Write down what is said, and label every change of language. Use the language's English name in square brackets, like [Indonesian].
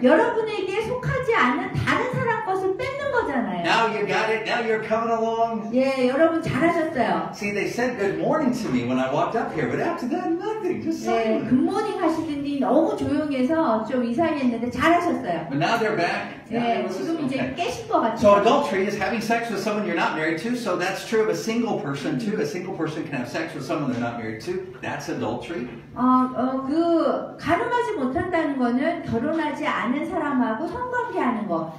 [Korean] 여러분에게 속하지 않는 다른 사람 것을 뺏는 거잖아요. [English] Now you got it. Now you're coming along. [Korean] 예, 네, 여러분 잘하셨어요. [English] See, they said good morning to me when I walked up here, but after that, nothing. Just silent. [Korean] 예, 네, [English] good morning [Korean] 하시더니 너무 조용해서 좀 이상했는데 잘하셨어요. [English] But now they're back. [Korean] 예, 네, 지금 이제 [English] okay. [Korean] 깨신 것 같아요. [English] So adultery is having sex with someone you're not married to. So that's true of a single person too. A single person can have sex with someone they're not married to. That's adultery. [Korean] 그 가늠하지 못한다는 거는 결혼하지 않은 사람하고 성관계하는 거.